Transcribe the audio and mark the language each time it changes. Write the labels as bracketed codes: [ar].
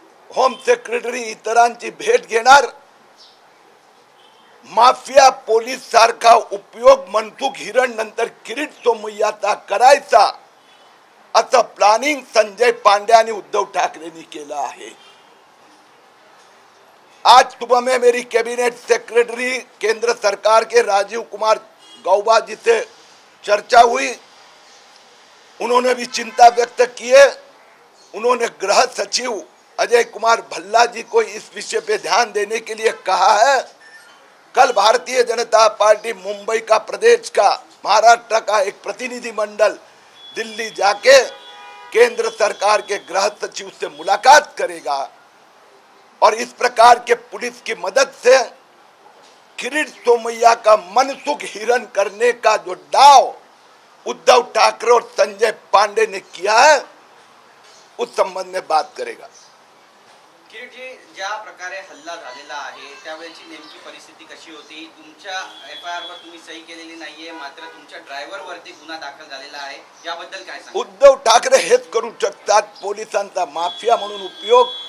[mr] Home secretary इतरांची भेट घेणार. माफिया पोलीस सारखा उपयोग मनसुख हिरण नंतर किरीट सोमय्याचा करायचा असं प्लॅनिंग संजय पांडे आणि उद्धव ठाकरेंनी केलं आहे. [hi] आज सुबह में मेरी कैबिनेट सेक्रेटरी केंद्र सरकार के राजीव कुमार गौबा जी से चर्चा हुई. उन्होंने भी चिंता व्यक्त किए. उन्होंने गृह सचिव अजय कुमार भल्ला जी को इस विषय पे ध्यान देने के लिए कहा है. कल भारतीय जनता पार्टी मुंबई का प्रदेश का महाराष्ट्र का एक प्रतिनिधि मंडल दिल्ली जाके केंद्र सरकार के गृह सचिव से मुलाकात करेगा और इस प्रकार के पुलिस की मदद से किरीट सोमय्या का मनसुख हिरण करने का जो दाव उद्धव ठाकरे और संजय पांडे ने किया है उस संबंध में बात करेगा. [mr] किरीट जी, ज्या प्रकारे हल्ला झालेला आहे त्यावेळची नेमकी परिस्थिती कशी होती? तुमच्या एफआयआर वर तुम्ही सही केलेली नाहीये, मात्र तुमच्या ड्रायव्हर वरती गुन्हा दाखल झालेला आहे, याबद्दल काय सांगा? उद्धव ठाकरे हेच करू शकतात पोलिसांचा माफिया म्हणून उपयोग.